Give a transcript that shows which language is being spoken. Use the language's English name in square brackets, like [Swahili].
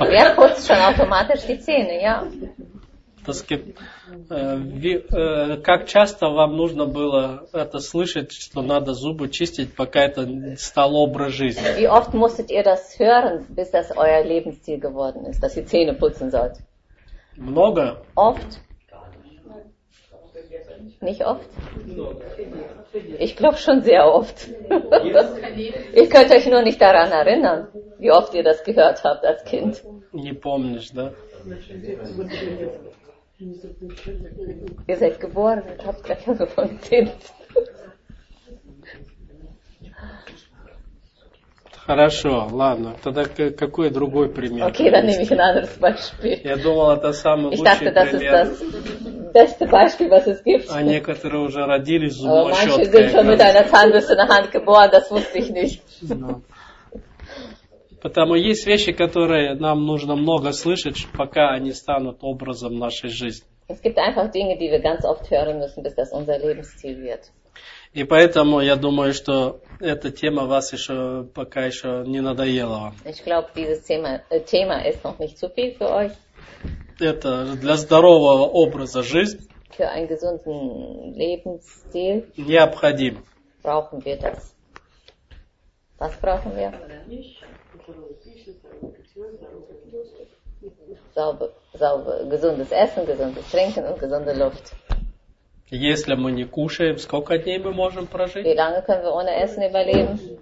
[German] Wer putzt schon automatisch die Zähne, ja? Das gibt, [Russian] как часто вам нужно было это слышать, что надо зубы чистить, пока это стало образ жизни? [German] Wie oft musstet ihr das hören, bis das euer Lebensziel geworden ist, dass ihr Zähne putzen sollt? [Russian] Много? [German] Oft? Nicht oft? Ich glaube schon sehr oft. Ihr könnt euch nur nicht daran erinnern, wie oft ihr das gehört habt als Kind. [Russian] Не помнишь, да? [German] Ihr seid geboren und habt gleich angefangen zu zählen. [Russian] Хорошо, ладно. Тогда какой другой пример? Окей, да, не надо с Beispiel. Я думал, это самый лучший пример. [German] Ich dachte, das ist das beste Beispiel, was es gibt. [Russian] А некоторые уже родились с зубной щеткой. [German] Manche sind schon mit einer Zahnbürste in der Hand geboren, das wusste ich nicht. [Russian] Потому есть вещи, которые нам нужно много слышать, пока они станут образом нашей жизни. [German] Es gibt einfach Dinge, die wir ganz oft hören müssen, bis das unser Lebensziel wird. [Russian] И поэтому я думаю, что эта тема вас еще пока еще не надоела вам. [German] Ich glaube, dieses Thema ist noch nicht zu viel für euch. [Russian] Это для здорового образа жизни. [German] Für einen gesunden Lebensstil. [Russian] Необходим. [German] Brauchen wir das? Was brauchen wir? Sauber, gesundes Essen, gesundes Trinken und gesunde Luft. [Russian] Если мы не кушаем, сколько дней мы можем прожить? [German] Wie lange können wir ohne Essen überleben?